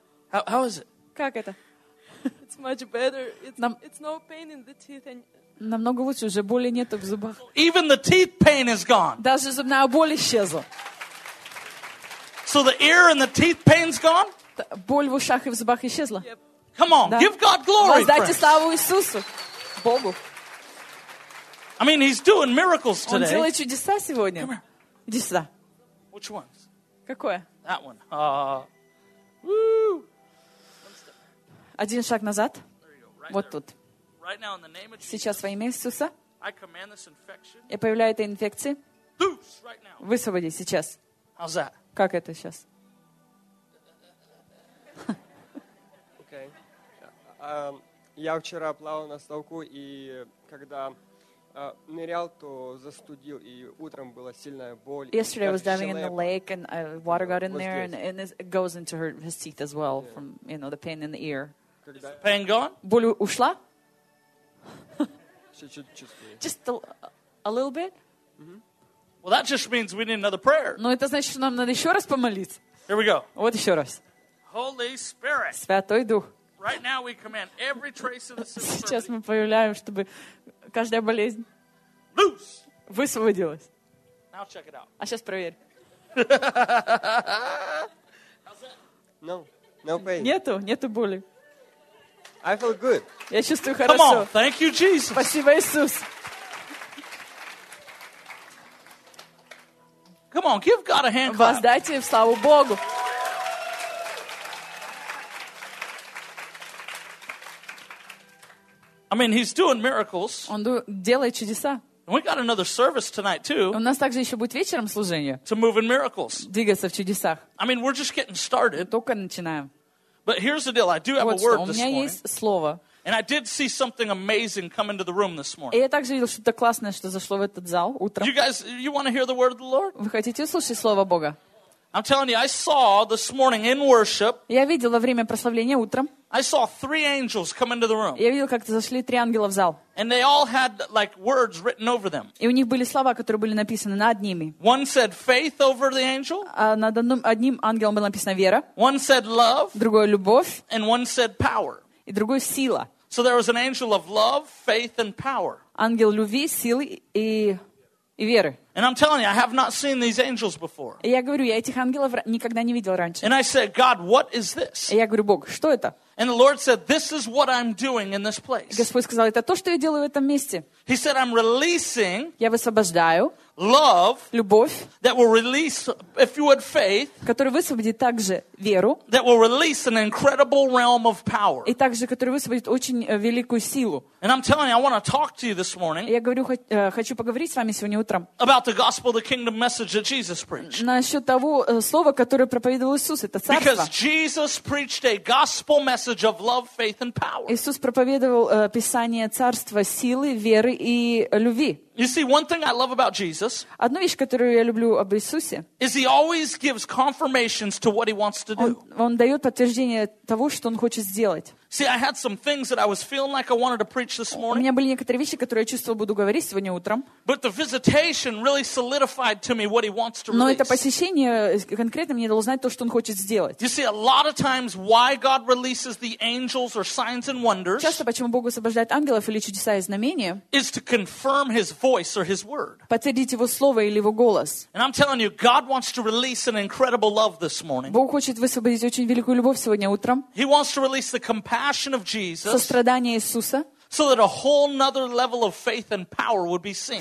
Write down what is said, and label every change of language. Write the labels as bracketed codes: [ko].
[en] How is it? [ru] Как это? [en] It's much better. It's no pain in the teeth and... [ru] Намного лучше, уже боли нету в зубах. [en] Even the teeth pain is gone. [ru] Даже зубная боль исчезла. [en] So the ear and the teeth pain's gone? [ru] Боль в ушах и в зубах исчезла. [en] Yep. Come on, [ru] да. [en] Give God glory, friends. [ru] Воздайте славу Иисусу, Богу. [en] I mean, he's doing miracles today. [ru] Он делает чудеса сегодня. [en] Come here. [ru] Иди сюда. [en] Which one? [ru] Какое? [en] That one. Woo. [ru] Один шаг назад. [en] Right [ru] вот [en] there. [ru] Тут. [en] Right now, in the name of Jesus, [ru] сейчас во имя Иисуса [en] I command this infection. [ru] Я появляю этой инфекции. [en] Loose right now. [ru] Высвободи сейчас. [en] How's that? [ru] Как это сейчас? Я вчера плавал на столку, и когда нырял, то застудил, и утром была сильная боль. [en] Yesterday I was diving in the lake, and water got in there, and it goes into his teeth as well, yeah. From, you know, the pain in the ear. Is the pain gone? [ru] Боль ушла? Чуть-чуть. [en] Just a little bit? Mm-hmm. Well, that just means we need another prayer. [ru] Но это значит, что нам надо еще раз помолиться. [en] Here we go. [ru] Вот еще раз. [en] Holy Spirit. [ru] Святой Дух. [en] Right now we command every trace of the symptoms. [ru] Сейчас мы появляем, чтобы каждая болезнь [en] loose. [ru] Высвободилась. [en] Now check it out. [ru] А сейчас проверь. [en] How's that? No, no pain. [ru] Нету боли. [en] I feel good. [ru] Я чувствую [en] Come [ru] хорошо. [en] Come on, thank you, Jesus. [ru] Спасибо, Иисус. [en] Come on, give God a hand clap. [ru] Воздайте славу Богу. [en] I mean, he's doing miracles. [ru] Он делает чудеса. [en] And we got another service tonight too. [ru] У нас также ещё будет вечером служение. [en] To move in miracles. [ru] Двигаться в чудесах. [en] I mean, we're just getting started. [ru] Только начинаем. [en] But here's the deal. I do have [ru] вот [en] a word [ru] что, [en] this morning. [ru] У меня есть слово. [en] And I did see something amazing come into the room this morning. [ru] Я также видел что-то классное, что зашло в этот зал утром. [en] You guys, you want to hear the word of the Lord? [ru] Вы хотите услышать слово Бога? [en] I'm telling you, I saw this morning in worship. [ru] Я видел во время прославления утром. [en] I saw three angels come into the room. [ru] Я видел, как зашли три ангела в зал. [en] And they all had like words written over them. [ru] И у них были слова, которые были написаны над ними. [en] One said faith over the angel. [ru] А над одним ангелом было написано вера. [en] One said love. [ru] Другой любовь. [en] And one said power. [ru] И другой сила. [en] So there was an angel of love, faith and power. [ru] Ангел любви, силы и веры. [en] And I'm telling you, I have not seen these angels before. [ru] Я говорю, я этих ангелов никогда не видел раньше. [en] And I said, God, what is this? [ru] Я говорю, Бог, что это? [en] And the Lord said, this is what I'm doing in this place. [ru] Господь сказал, это то, что я делаю в этом месте. [en] He said, I'm releasing. [ru] Я высвобождаю. [en] Love. [ru] Любовь. [en] That will release, if you had faith. [ru] Который высвободит также веру. [en] That will release an incredible realm of power. [ru] И также, который высвободит очень великую силу. [en] And I'm telling you, I want to talk to you this morning. [ru] Я говорю, хочу поговорить с вами сегодня утром. [en] About the gospel, the kingdom message that Jesus preached. [ru] Насчет того слова, которое проповедовал Иисус, это царство. [en] Because Jesus preached a gospel message of love, faith, and power. [ru] Иисус проповедовал писание царства силы, веры и любви. [en] You see, one thing I love about Jesus. [ru] Одна вещь, которую я люблю об Иисусе. [en] Is he always gives confirmations to what he wants to do. [ru] Он дает подтверждение того, что он хочет сделать. [en] See, I had some things that I was feeling like I wanted to preach this morning. [ru] У меня были некоторые вещи, которые я чувствовал, буду говорить сегодня утром. [en] But the visitation really solidified to me what he wants to [ru] do. Но это посещение конкретно мне дало знать то, что он хочет сделать. [en] You see, a lot of times why God releases the angels or signs and wonders. [ru] Часто почему Бог освобождает ангелов или чудеса и знамения? [en] Is to confirm his voice or his word. [ru] Подтвердить его слово или его голос. [en] And I'm telling you, God wants to release an incredible love this morning. [ru] Бог хочет высвободить очень великую любовь сегодня утром. [en] He wants to release the compassion of Jesus. [ru] Сострадание Иисуса. [en] So that a whole another level of faith and power would be seen.